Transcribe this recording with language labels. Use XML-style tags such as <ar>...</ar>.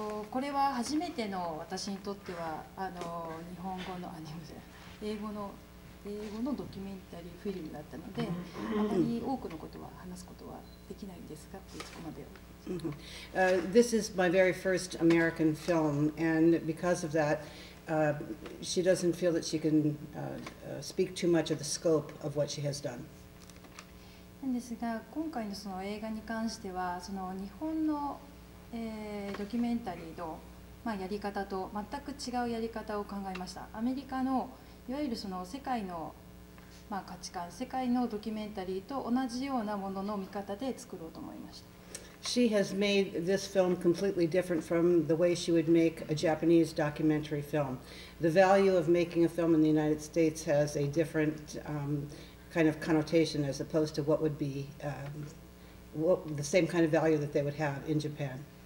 <ja>これは初めての私にとっては日本語の英語のドキュメンタリーフィルムだったので、あまり多くのことは話すことはできないんですが、そこまでを。</ja> <en>This is my very first American film, and because of that, she doesn't feel that she can speak too much of the scope of what she has done.</en> <ja>なんですが、今回のその映画に関しては、その日本のドキュメンタリーの、まあ、やり方と全く違うやり方を考えました。アメリカのいわゆるその世界の、まあ、価値観、世界のドキュメンタリーと同じようなものの見方で作ろうと思いました。</ja> <en>She has made this film completely different from the way she would make a Japanese documentary film. The value of making a film in the United States has a different kind of connotation as opposed to what would be the same kind of value that they would have in Japan.</en>